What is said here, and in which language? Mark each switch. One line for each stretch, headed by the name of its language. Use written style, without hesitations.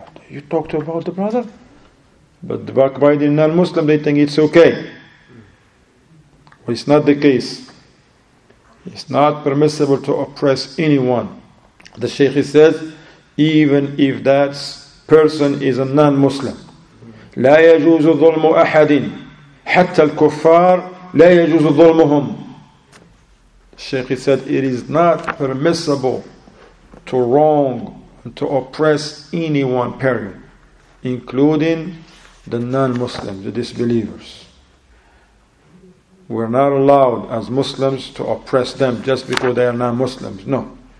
English: You talk to about the brother? But the backbiting non-Muslim, they think it's okay. Well, it's not the case. It's not permissible to oppress anyone. The Shaykh says, even if that person is a non-Muslim.
Arabic: لا يجوز ظلم أحد حتى الكفار لا يجوز ظلمهم.
English: Shaykh said, it is not permissible to wrong and to oppress anyone, period, including the non-Muslims, the disbelievers. We're not allowed as Muslims to oppress them just because they are non-Muslims. No.